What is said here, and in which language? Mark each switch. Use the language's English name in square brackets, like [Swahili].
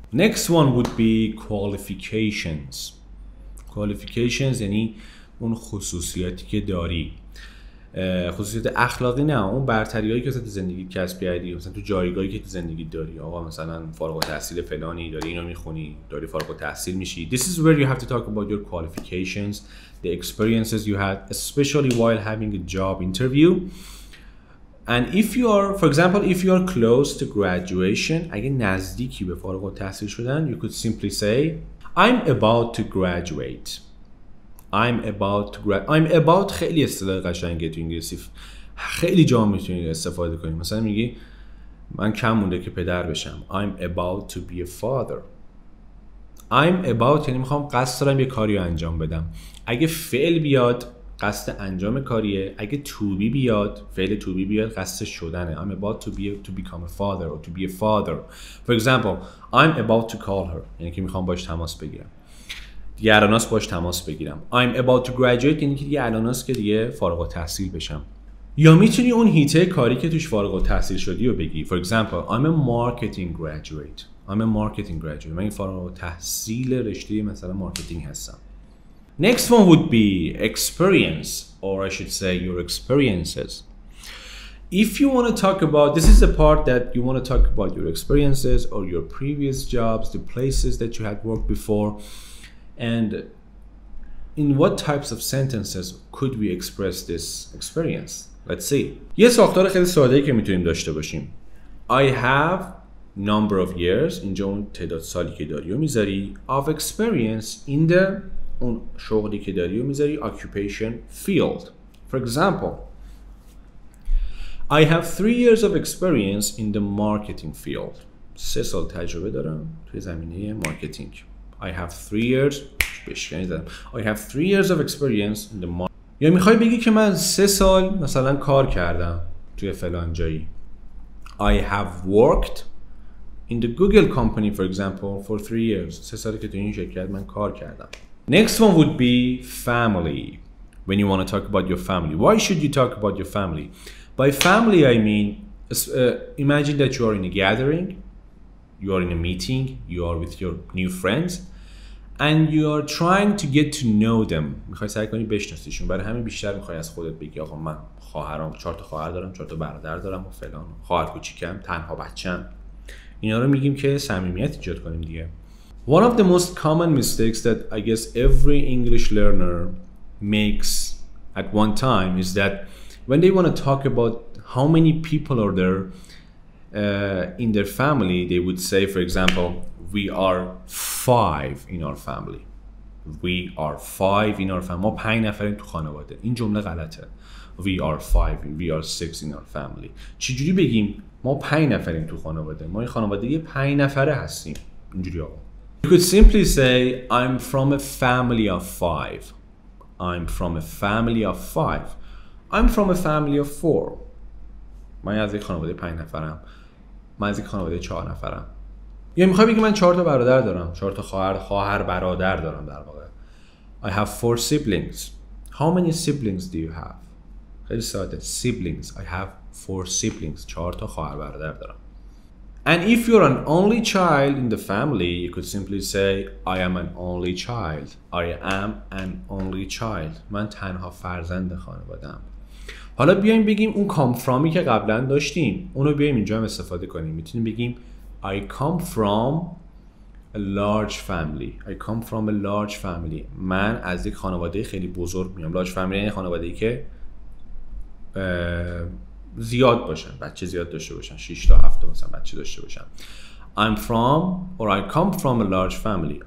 [English] Next one would be qualifications. [Persian] Qualifications یعنی اون خصوصیاتی که داری، خصوصیت اخلاقی نه، اون برتری هایی که مثلا تو زندگی کسب کردی، مثلا تو جایگاهی که تو زندگی داری. آقا مثلا فارغ التحصیل فلانی داری، اینو میخونی، داری فارغ التحصیل میشی. [English] This is where you have to talk about your qualifications, the experiences you had, especially while having a job interview. And if you are, for example, if you are close to graduation, [Persian] اگه نزدیکی به فارغ التحصیل شدن، [English] you could simply say I'm about to graduate. [Persian] I'm about خیلی اصطلاح قشنگه تو انگلیسی، خیلی جا میتونید استفاده کنید. مثلا میگی من کم مونده که پدر بشم. [English] I'm about to be a father. [Persian] I'm about یعنی میخوام، قصد دارم یه کاری رو انجام بدم. اگه فعل بیاد قصد انجام کاریه، اگه توبی بیاد، فعل توبی بیاد، قصد شدنه. [English] I'm about to become a father or to be a father. For example, I'm about to call her. [Persian] یعنی که میخوام باش تماس بگیرم، دیگه الاناس باش تماس بگیرم. [English] I'm about to graduate [Persian] یعنی که دیگه الاناس که دیگه فارغ التحصیل بشم. یا میتونی اون هیته کاری که توش فارغ التحصیل شدی رو بگی. [English] For example, I'm a marketing graduate. [Persian] من فارغ التحصیل رشته مثلا مارکتینگ هستم. [English] Next one would be experience, or I should say your experiences. If you want to talk about, this is the part that you want to talk about your experiences or your previous jobs, the places that you had worked before, and in what types of sentences could we express this experience? Let's see. [Persian] یه ساختار خیلی ساده‌ای که میتونیم داشته باشیم. [English] I have number of years, [Persian] اینجا اون تعداد سالی که داری و میذاری, [English] of experience in the, [Persian] اون شغلی که داری و میذاری, [English] occupation field. For example, I have 3 years of experience in the marketing field. [Persian] 3 سال تجربه دارم توی زمینه مارکتینگ. [English] I have 3 years. [Persian] بشکنی دارم. [English] I have 3 years of experience in the marketing. [Persian] یا میخوای بگی که من 3 سال مثلا کار کردم توی فلان جایی. [English] I have worked in the Google company, for example, for 3 years. [Persian] 3 سالی که توی این شرکت من کار کردم. [English] Next one would be family. When you want to talk about your family. Why should you talk about your family? By family, I mean, imagine that you are in a gathering, you are in a meeting, you are with your new friends, and you are trying to get to know them. [Persian] میخوای سعی کنی بشناسیشون. برای همین بیشتر میخوای از خودت بگی آقا من خواهرام، 4 تا خواهر دارم، 4 تا برادر دارم و فلان. خواهر کوچیکم، تنها بچه‌ام. اینا رو میگیم که صمیمیت ایجاد کنیم دیگه. [English] One of the most common mistakes that I guess every English learner makes at one time is that when they want to talk about how many people are there in their family, they would say, for example, we are 5 in our family. We are 5 in our family. [Persian] ما 5 نفریم تو خانواده. این جمله غلطه. [English] We are 5. We are 6 in our family. [Persian] چجوری بگیم ما 5 نفریم تو خانواده. ما این خانواده یه 5 نفره هستیم. اینجوری آقا. [English] You could simply say, I'm from a family of 5. I'm from a family of 5. I'm from a family of 4. [Persian] من از یک خانواده 5 نفرم. من از یک خانواده 4 نفرم. یا میخوای بگی من 4 تا برادر دارم. 4 تا خواهر. خواهر برادر دارم در واقع. [English] I have 4 siblings. How many siblings do you have? [Persian] خیلی ساده. [English] Siblings. I have 4 siblings. [Persian] 4 تا خواهر برادر دارم. [English] And if you're an only child in the family, you could simply say, I am an only child. I am an only child. [Persian] من تنها فرزند خانواده‌ام. حالا بیایم بگیم اون come from-ی که قبلا داشتیم. اونو بیایم اینجا هم استفاده کنیم. میتونیم بگیم, [English] I come from a large family. I come from a large family. [Persian] من از یک خانواده خیلی بزرگ میام. Large family یعنی خانواده‌ای که زیاد باشن, بچه زیاد داشته باشن, 6 تا 7 تا مثلا بچه داشته باشن. [English] I'm from or I come from a large family.